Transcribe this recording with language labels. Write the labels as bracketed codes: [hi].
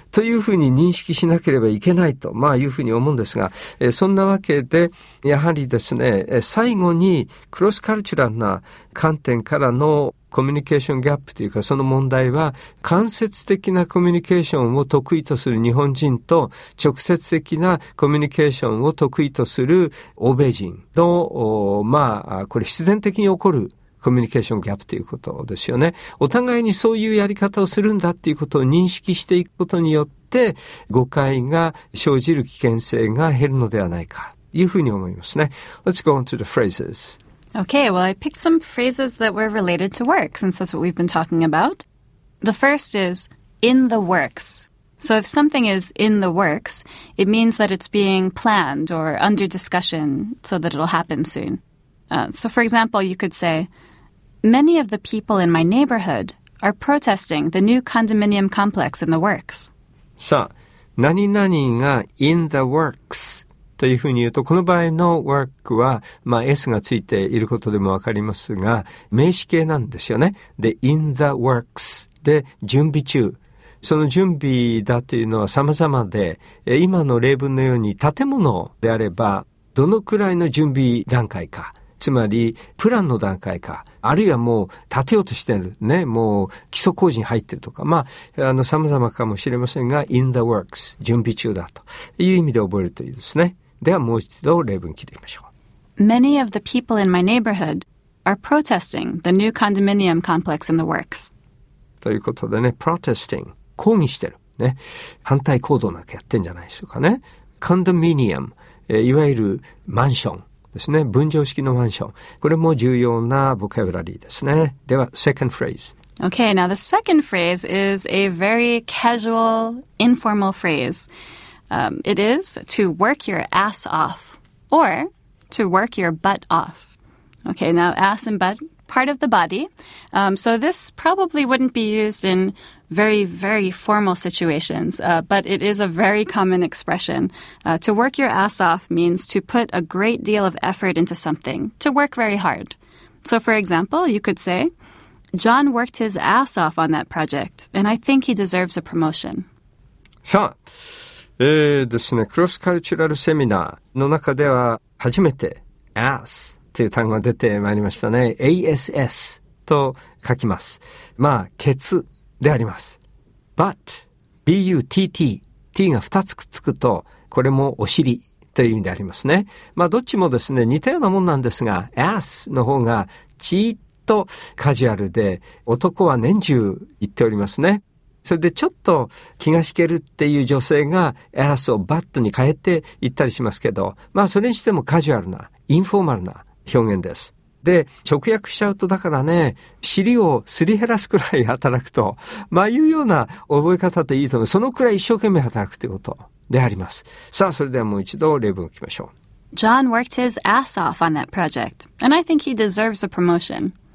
[ja] というふうに認識しなければいけないと、まあいうふうに思うんですが、そんなわけで、やはりですね、最後にクロスカルチュラルな観点からのコミュニケーションギャップというか、その問題は間接的なコミュニケーションを得意とする日本人と直接的なコミュニケーションを得意とする欧米人の、まあこれ必然的に起こるコミュニケーションギャップということですよね。お互いにそういうやり方をするんだっていうことを認識していくことによって、誤解が生じる危険性が減るのではないかというふうに思いますね。 [en] Let's go on to the phrases. Okay, well, I picked some phrases that were related to work, since that's what we've been talking about. The first is in the works. So if something is in the works, it means that it's being planned or under discussion so that it'll happen soon. So for example, you could say, many of the people in my neighborhood are protesting the new condominium complex in the works. [ja] さあ、何々が [en] in the works [ja] というふうに言うと、この場合の work は、まあ、S がついていることでもわかりますが、名詞形なんですよね。で、in the works で準備中。その準備だというのは様々で、今の例文のように建物であれば、どのくらいの準備段階か、つまりプランの段階か、あるいはもう建てようとしてるね、もう基礎工事に入ってるとか、まあ、様々かもしれませんが、 [en] in the works、 [ja] 準備中だという意味で覚えるといいですね。ではもう一度例文聞いてみましょう。 [en] Many of the people in my neighborhood are protesting the new condominium complex in the works. [ja] ということでね、protesting、抗議してる、ね。反対行動なんかやってんじゃないでしょうかね。condominium、いわゆるマンションですね。分譲式のマンション。これも重要なボキャブラリーですね。では、 [en] second phrase。 Okay, now the second phrase is a very casual, informal phrase.、It is to work your ass off or to work your butt off. Okay, now ass and butt. Part of the body.、So this probably wouldn't be used in very, very formal situations,、but it is a very common expression.、To work your ass off means to put a great deal of effort into something, to work very hard. So for example, you could say, John worked his ass off on that project, and I think he deserves a promotion. [ja] さあ、ですね、クロスカルチュラルセミナーの中では初めて ass. という単語が出てまいりましたね。 ASS と書きます。まあ、ケツであります。 But, B-U-T-T, T が2つくっつくと、これもお尻という意味でありますね。まあ、どっちもですね、似たようなもんなんですが、ass の方がちーっとカジュアルで、男は年中言っておりますね。それでちょっと気が引けるっていう女性が ass を but に変えて言ったりしますけど、まあ、それにしてもカジュアルな、インフォーマルな、表現です。で、直訳しちゃうとだからね、尻をすり減らすくらい働くと、まあいうような覚え方でいいと思う。そのくらい一生懸命働くということであります。さあ、それではもう一度例文を聞きましょう。 [en] John worked his ass off on that project, and I think he deserves a promotion.